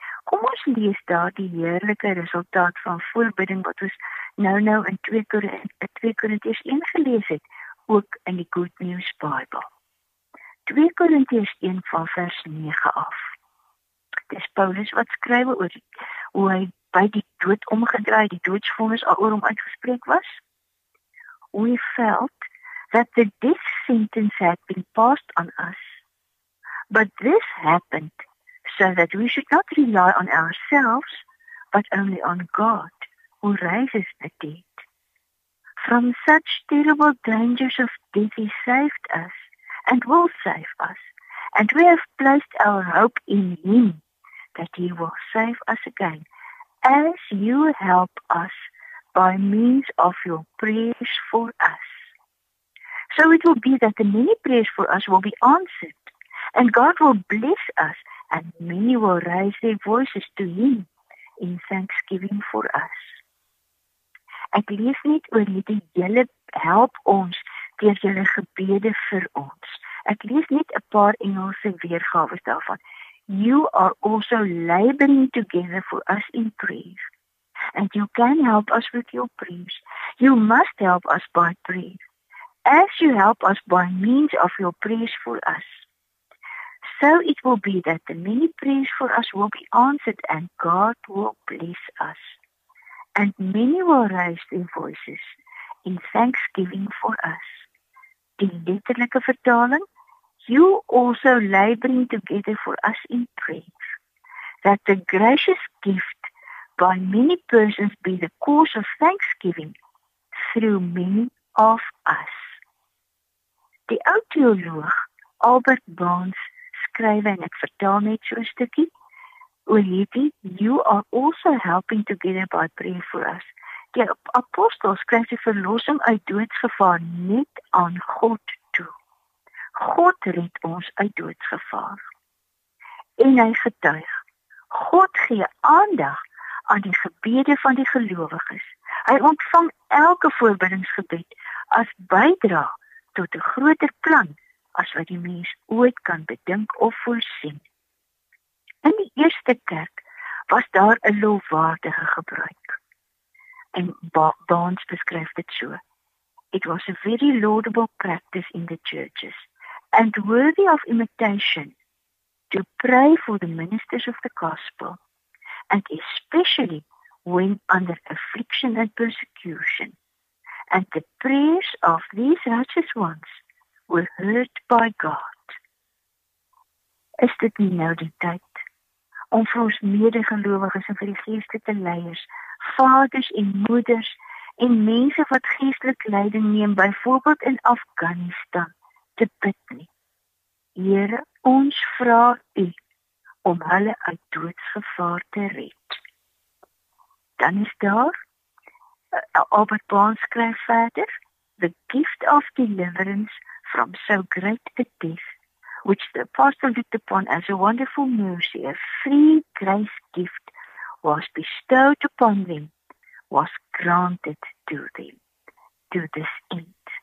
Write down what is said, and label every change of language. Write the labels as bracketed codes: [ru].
[af] Kom ons lees daar die heerlike resultaat van voorbidding wat ons nou in 2 Korintiërs 1 gelees het, ook in die Good News Bible. 2 Korintiërs 1 van vers 9 af. Dis Paulus wat skryf oor hoe hy by die dood omgedraai, die doodsvonnis al oor hom uitgespreek was. [en] We felt that the death sentence had been passed on us, but this happened so that we should not rely on ourselves, but only on God, who raises the dead. From such terrible dangers of death he saved us, and will save us, and we have placed our hope in him, that he will save us again, as you help us by means of your prayers for us. So it will be that the many prayers for us will be answered, and God will bless us, and many will raise their voices to him in thanksgiving for us. [af] Ek lees net oor hierdie julle help ons deur julle gebede vir ons. Ek lees net 'n paar Engelse weergawe daarvan. [en] You are also laboring together for us in prayer, and you can help us with your prayers. You must help us by prayer, as you help us by means of your prayers for us. So it will be that the many prayers for us will be answered, and God will bless us. And many will raise their voices in thanksgiving for us. [af] Die letterlijke vertaling, [en] you also laboring together for us in prayer, that the gracious gift by many persons be the cause of thanksgiving through many of us. [af] Die oud-teoloog Albert Barnes skryf, en ek vertaal net so 'n stukkie, Olivia, [en] you are also helping together by praying for us. [af] Die apostel skryf die verlossing uit doodsgevaar net aan God. God red ons uit doodsgevaar. En hy getuig, God gee aandag aan die gebede van die gelowiges. Hy ontvang elke voorbiddingsgebed as bydra tot 'n groter plan as wat die mens ooit kan bedink of voorsien. In die eerste kerk was daar 'n lofwaardige gebruik. En Barnes beskryf dit so. It was a very laudable practice in the churches and worthy of imitation to pray for the ministers of the gospel and especially when under affliction and persecution and the prayers of these righteous ones were heard by God. Is dit nie nou die tyd om vir ons medegelowiges en vir die geestelike leiers, vaders en moeders en mense wat geestelik leiding neem, byvoorbeeld in Afghanistan, te bid nie? Here, ons vra U om hulle uit doodsgevaar te red. Dan is daar, Albert Bond skryf verder, [en] the gift of deliverance from so great a death, which the apostle looked upon as a wonderful mercy, a free grace gift was bestowed upon them, was granted to them, to this end.